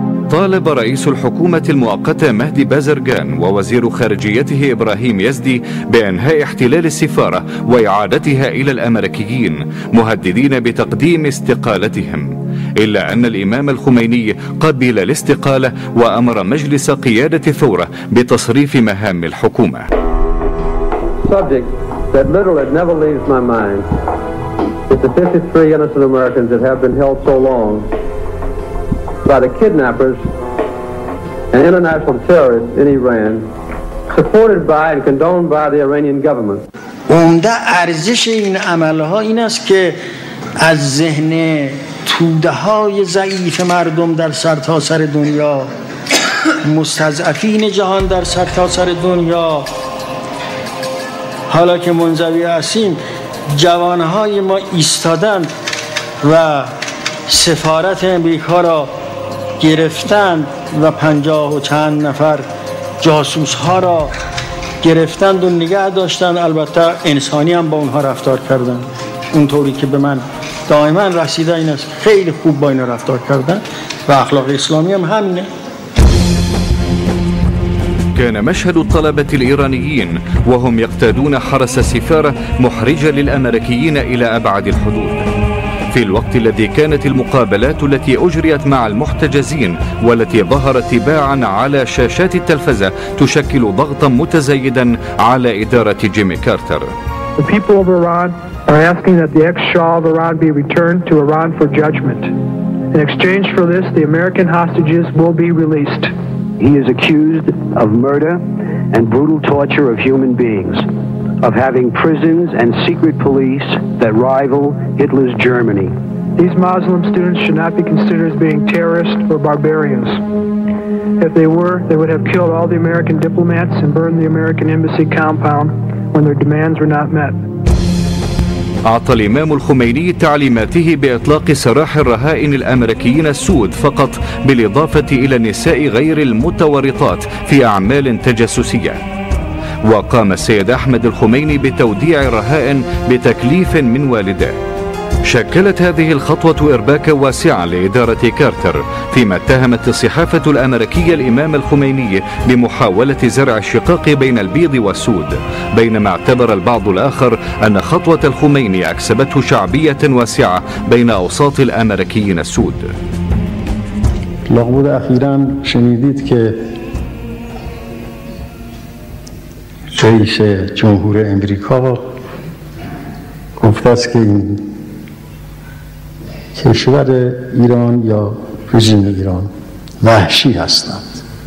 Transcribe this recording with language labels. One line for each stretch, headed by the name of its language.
Arabic: طالب رئيس الحكومة المؤقتة مهدي بازرغان ووزير خارجيته إبراهيم يزدي بإنهاء احتلال السفارة وإعادتها إلى الأمريكيين، مهددين بتقديم استقالتهم، إلا أن الإمام الخميني قبل الاستقالة وأمر مجلس قيادة الثورة بتصريف مهام الحكومة.
English: Subject that literally never leaves my mind is the 53 innocent Americans that have been held so long by the kidnappers and international terrorists in Iran, supported by and condoned by the Iranian government.
Persian: عمده ارزش این عملها این است که از ذهن توده‌های ضعیف مردم در سرتاسر دنیا، مستضعفین جهان در سرتاسر دنیا، حالا که منزوی هستیم جوانهای ما ایستادند و سفارت امریکا را گرفتند و 50 و چند نفر جاسوسها را گرفتند و نگه داشتند. البته انسانی هم با اونها رفتار کردند. اونطوری که به من دائما رسیده این است خیلی خوب با اینا رفتار کردند و اخلاق اسلامی هم همینه.
Arabic: كان مشهد الطلبة الإيرانيين وهم يقتادون حرس السفارة محرجا للأمريكيين إلى أبعد الحدود. في الوقت الذي كانت المقابلات التي أجريت مع المحتجزين والتي ظهرت تباعا على شاشات التلفزة تشكل ضغطا متزايدا على إدارة جيمي كارتر.
English: The people of Iran are asking that the ex-Shah of Iran be returned to Iran for judgment. In exchange for this, the American hostages will be released. He is accused of murder and brutal torture of human beings, of having prisons and secret police that rival Hitler's Germany. These Muslim students should not be considered as being terrorists or barbarians. If they were, they would have killed all the American diplomats and burned the American embassy compound when their demands were not met.
Arabic: أعطى الإمام الخميني تعليماته بإطلاق سراح الرهائن الأمريكيين السود فقط بالإضافة إلى النساء غير المتورطات في أعمال تجسسية. وقام السيد أحمد الخميني بتوديع الرهائن بتكليف من والده. شكلت هذه الخطوة إرباكا واسعة لإدارة كارتر فيما اتهمت الصحافة الأمريكية الإمام الخميني بمحاولة زرع الشقاق بين البيض والسود، بينما اعتبر البعض الآخر أن خطوة الخميني أكسبته شعبية واسعة بين أوساط الأمريكيين السود.
Persian: لابد أخيراً شنيديت ك رئيس جمهور أمريكا گفتست که کشور ایران یا رژیم ایران وحشی هستند.